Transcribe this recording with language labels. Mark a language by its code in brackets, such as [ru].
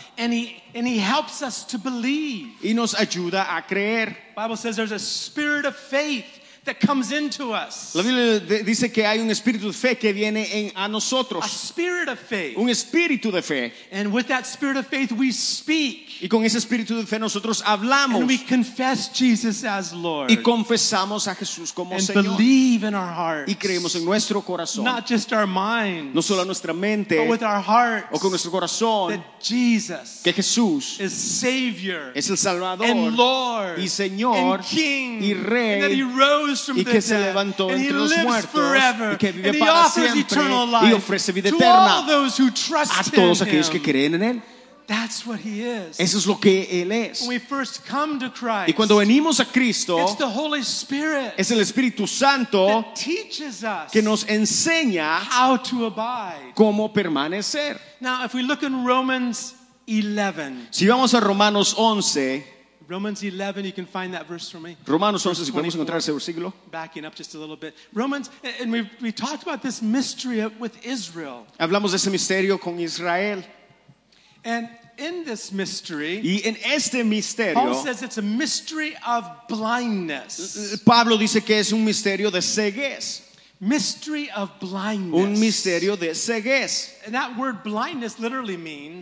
[en] And he helps us to believe. [es] Y nos ayuda a creer. [en] The Bible says there's a spirit of faith that comes into us. [es] La Biblia dice que hay un espíritu de fe que viene en, a nosotros. [en] A spirit of faith. [es] Un espíritu de fe. [en] And with that spirit of faith, we speak. [es] Y con ese espíritu de fe nosotros hablamos. [en] And we confess Jesus as Lord. [es] Y confesamos a Jesús como [en] and [es] Señor. [en] Believe in our hearts. [es] Y creemos en nuestro corazón. [en] Not just our minds. [es] No solo nuestra mente. [en] But with our hearts. [es] O con nuestro corazón. [en] That Jesus. [es] Que Jesús. [en] Is Savior. [es] Es el Salvador. [en] And Lord. [es] Y Señor. [en] And King. [es] Y Rey. [en] And that He rose from the dead. And He lives forever. [es] Y que vive [en] and He [es] para [en] offers [es] siempre. [en] Eternal life. [es] Y vida eterna. [en] To all those who trust [es] a todos [en] in [es] aquellos [en] Him. [es] Que creen en él. [en] That's what He is. [es] Eso es lo que él es. [en] When we first come to Christ, [es] y cuando venimos a Cristo, [en] it's the Holy Spirit. [es] Es el Espíritu Santo [en] that teaches us [es] que nos enseña [en] how to abide. [es] Cómo permanecer. [en] Now, if we look in Romans 11, [es] si vamos a Romanos 11, [en] Romans 11, you can find that verse for me. [es] Romanos 11, si podemos encontrar ese versículo. [en] Backing up just a little bit. Romans, and we talked about this mystery with Israel. [es] Hablamos de ese misterio con Israel. [en] And in this mystery, [es] y en este misterio, [en] Paul says it's a mystery of blindness. [es] Pablo dice que es un misterio de ceguez. [en] Mystery of blindness. [es] Un misterio de ceguez. [en] And that word blindness literally means.